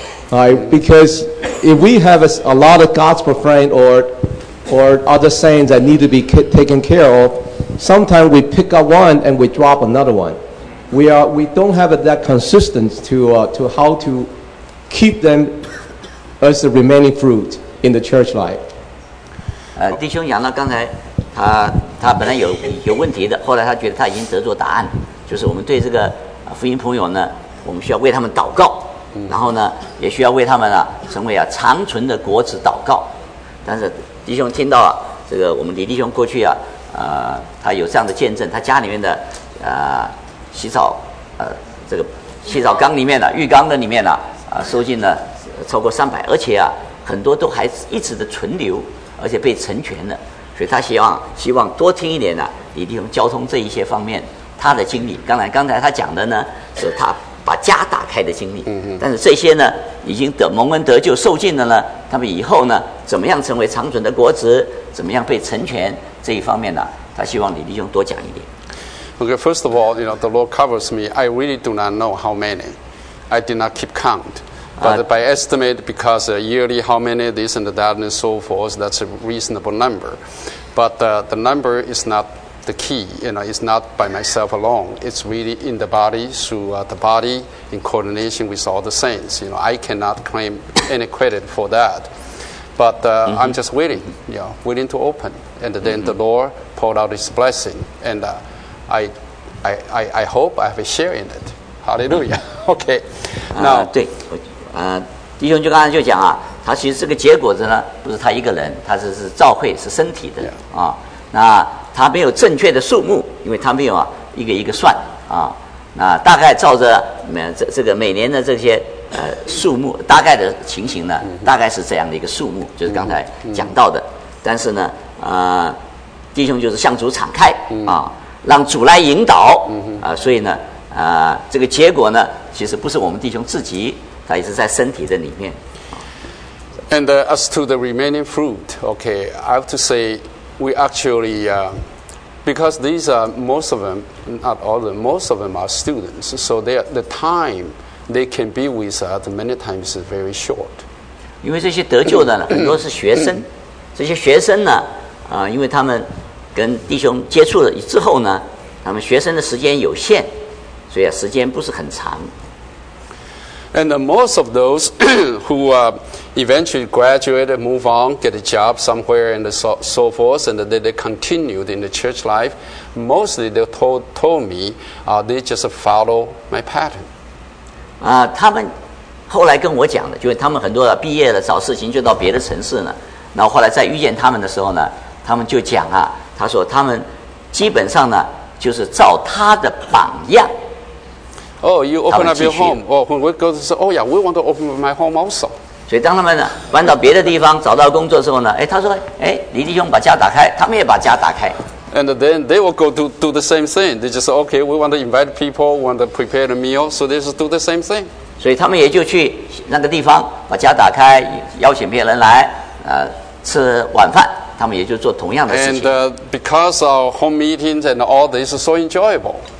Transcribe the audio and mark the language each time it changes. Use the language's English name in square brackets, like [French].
[English] Because if we have a lot of gospel friends or other saints that need to be taken care of, sometimes we pick up one and we drop another one. We don't have that consistency to how to keep them as the remaining fruit in the church life. [Chinese] 弟兄杨了，刚才他本来有问题的，后来他觉得他已经得着答案，就是我们对这个福音朋友呢，我们需要为他们祷告。然后呢，也需要为他们成为长存的果子祷告。但是弟兄听到了这个，我们李弟兄过去他有这样的见证，他家里面的洗澡缸里面的浴缸的里面收进了超过300，而且很多都还一直的存留，而且被成全了。所以他希望多听一点李弟兄交通这一些方面他的经历。刚才他讲的呢，是他。把家打开的经历，但是这些呢，已经蒙恩得救受尽了呢，他们以后呢，怎么样成为长存的果子，怎么样被成全，这一方面呢，他希望李弟兄多讲一点。 [English] Okay, first of all, you know, the Lord covers me. I really do not know how many. I did not keep count. But by estimate, because yearly how many this and that and so forth, that's a reasonable number. But the number is not the key. You know, it's not by myself alone. It's really in the body, through the body, in coordination with all the saints. You know, I cannot claim any credit for that. But mm-hmm. I'm just waiting, you know, waiting to open. And then mm-hmm. the Lord poured out His blessing. And I hope I have a share in it. Hallelujah. Okay. Now, [Chinese] 对，弟兄就刚才就讲啊，他其实这个结果子呢，不是他一个人，他是召会，是身体的、yeah. 啊。那他没有正确的数目，因为他没有啊一个一个算啊。那大概照着这个每年的这些数目，大概的情形呢，大概是这样的一个数目，就是刚才讲到的。但是呢，弟兄就是向主敞开啊，让主来引导啊，所以呢。这个结果呢，其实不是我们弟兄自己，他也是在身体的里面。 [English] And as to the remaining fruit, okay, I have to say, we actually, because these are most of them, not all of them, most of them are students, so they are, the time they can be with us many times is very short. [Chinese] 因为这些得救的呢，很多是学生，这些学生呢，因为他们跟弟兄接触了之后呢，他们学生的时间有限。所以啊，时间不是很长。 [English] And most of those who eventually graduate, move on, get a job somewhere, and so forth, and they continued in the church life, mostly they told me, they just follow my pattern. [Chinese] 啊，他们后来跟我讲的，就是他们很多毕业了找事情就到别的城市了。然后后来再遇见他们的时候呢，他们就讲啊，他说他们基本上呢就是照他的榜样。 [English] Oh, you open up your home. Oh, when we go to say, oh yeah, we want to open up my home also. [Chinese] 所以当他们呢搬到别的地方找到工作之后呢，哎，他说，哎，李弟兄把家打开，他们也把家打开。 [English] And then they will go to do the same thing. They just say, okay, we want to invite people, want to prepare the meal, so they just do the same thing. [Chinese] 所以他们也就去那个地方把家打开，邀请别人来，吃晚饭。他们也就做同样的事情。 [English] And because our home meetings and all this is so enjoyable.